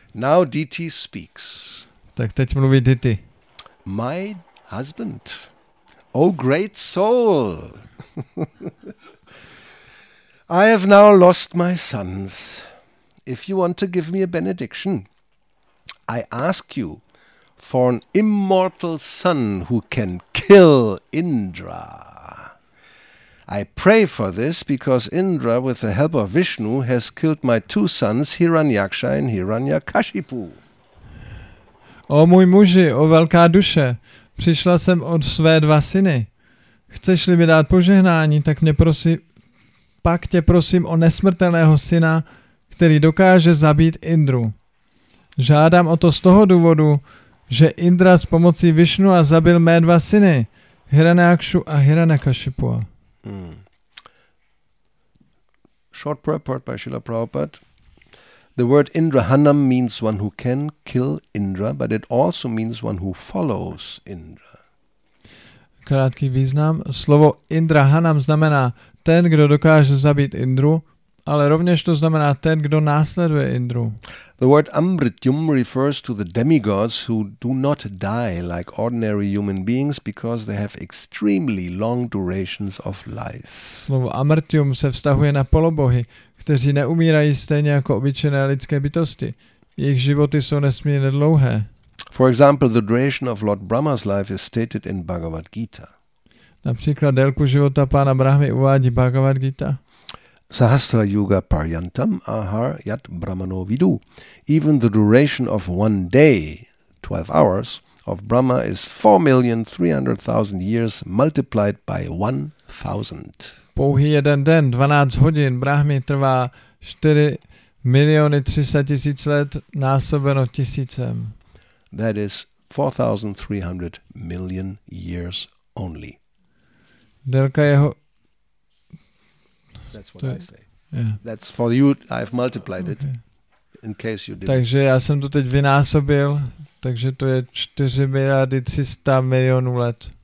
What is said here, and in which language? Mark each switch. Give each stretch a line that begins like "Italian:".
English: Now Diti speaks.
Czech: Tak teď mluví Diti.
English: My husband, O great soul, I have now lost my sons. If you want to give me a benediction, I ask you for an immortal son who can kill Indra. I pray for this because Indra, with the help of Vishnu, has killed my two sons, Hiranyaksha and Hiranyakashipu.
Czech: O můj muži, o velká duše, přišla jsem od své dva syny. Chceš-li mi dát požehnání, tak mě prosím, pak tě prosím o nesmrtelného syna, který dokáže zabít Indru. Žádám o to z toho důvodu, že Indra s pomocí Vishnu a zabil mé dva syny, Hiranyakshu a Hiranyakashipu.
English: Short purport by Srila Prabhupada. The word Indrahanam means one who can kill Indra, but it also means one who follows Indra.
Czech: Krátký význam. Slovo Indrahanam znamená ten, kdo dokáže zabít Indru, Ale rovněž to znamená ten, kdo následuje Indru.
English: The word Amrityum refers to the demigods who do not die like ordinary human beings because they have extremely long durations of life.
Czech: Slovo Amrityum se vztahuje na polobohy, kteří neumírají stejně jako obyčejné lidské bytosti. Jejich životy jsou nesmírně dlouhé.
English: For example, the duration of Lord Brahma's life is stated in Bhagavad Gita.
Czech: Například délku života pána Brahmy uvádí Bhagavad Gita.
Sanskrit: Sahasra yuga paryantam ahar yat brahmano vidu.
English: Even the duration of one day, 12 hours, of Brahma is 4,300,000 years multiplied by 1,000.
Czech: Pouhý jeden den, 12 hodin, Brahmy trvá 4,300,000 let násobeno tisícem.
English: That is 4,300 million years only.
Czech: Délka jeho...
English: That's what I say. Yeah. That's for you, I've multiplied it. In case you didn't.
Czech: Takže já jsem to teď vynásobil, takže to je 4,300,000,000 let.